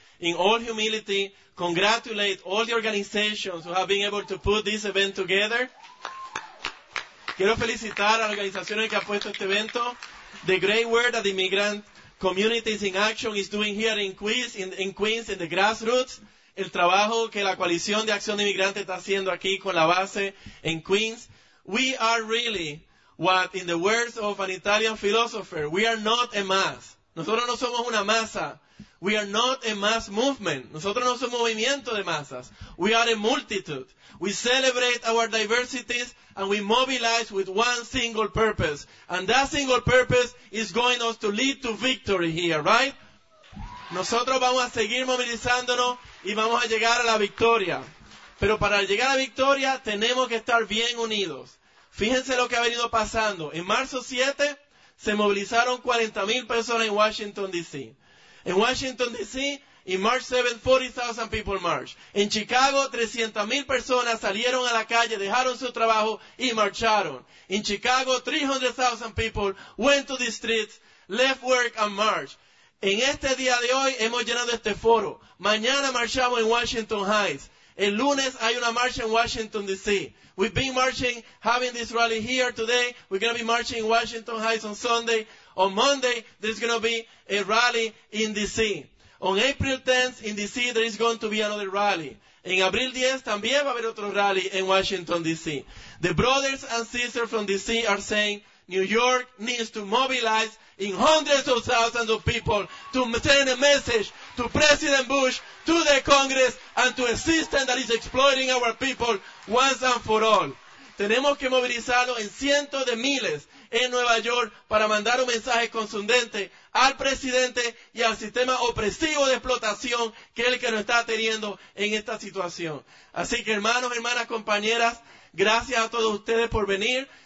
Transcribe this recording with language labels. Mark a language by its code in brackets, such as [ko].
[en] in all humility, congratulate all the organizations who have been able to put this event together. [es] Quiero felicitar a las organizaciones que han puesto este evento. [en] The great work that the Immigrant Communities in Action is doing here in Queens, in the grassroots. [es] El trabajo que la Coalición de Acción de Inmigrantes está haciendo aquí con la base en Queens. [en] We are really what, in the words of an Italian philosopher, we are not a mass. [es] Nosotros no somos una masa. [en] We are not a mass movement. [es] Nosotros no somos un movimiento de masas. [en] We are a multitude. We celebrate our diversities and we mobilize with one single purpose. And that single purpose is going us to lead to victory here, right? [es] Nosotros vamos a seguir movilizándonos y vamos a llegar a la victoria. Pero para llegar a la victoria tenemos que estar bien unidos. Fíjense lo que ha venido pasando. En marzo 7 se movilizaron 40,000 personas en Washington, D.C. [en] En Washington, D.C., en March 7, 40,000 people marched. [es] En Chicago, 300,000 personas salieron a la calle, dejaron su trabajo y marcharon. [en] En Chicago, 300,000 people went to the streets, left work and marched. [es] En este día de hoy hemos llenado este foro. Mañana marchamos en Washington Heights. El lunes hay una marcha en Washington, D.C. [en] We've been marching, having this rally here today. We're going to be marching in Washington Heights on Sunday. On Monday, there's going to be a rally in D.C. On April 10th, in D.C., there is going to be another rally. [es] En abril 10, también va a haber otro rally en Washington, D.C. [en] The brothers and sisters from D.C. are saying, New York needs to mobilize in hundreds of thousands of people to send a message to President Bush, to the Congress, and to a system that is exploiting our people once and for all. [es] Tenemos que movilizarlo en cientos de miles en Nueva York para mandar un mensaje contundente al presidente y al sistema opresivo de explotación que es el que nos está teniendo en esta situación. Así que hermanos, hermanas, compañeras, gracias a todos ustedes por venir.